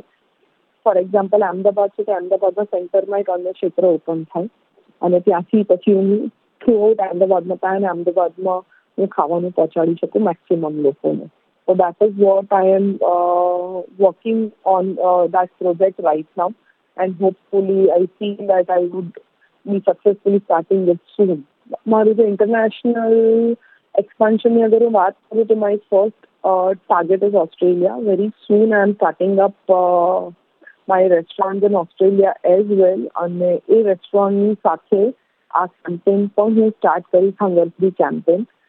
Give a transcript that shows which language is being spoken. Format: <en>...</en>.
<gu>એટલે for example Ahmedabad છે તો અમદાવાદના સેન્ટરમાં એક અન્ય ક્ષેત્ર ઓપન થાય અને ત્યાંથી પછી હું થ્રુ આઉટ અમદાવાદમાં થાય અને અમદાવાદમાં હું ખાવાનું પહોંચાડી શકું મેક્સિમમ લોકોને.</gu> <en>તો that is what I am working on that project right now. And hopefully, I feel that I would be successfully starting this soon.</en> <gu>મારું જે ઇન્ટરનેશનલ એક્સપાન્શનની અગર હું વાત કરું તો</gu> <en>My first target is Australia. Very soon I am starting up my restaurant in Australia as well</en> <gu>અને એ રેસ્ટોરન્ટની સાથે આ કેમ્પેન પણ હું સ્ટાર્ટ કરીશ,</gu> <en>Hunger free campaign.</en>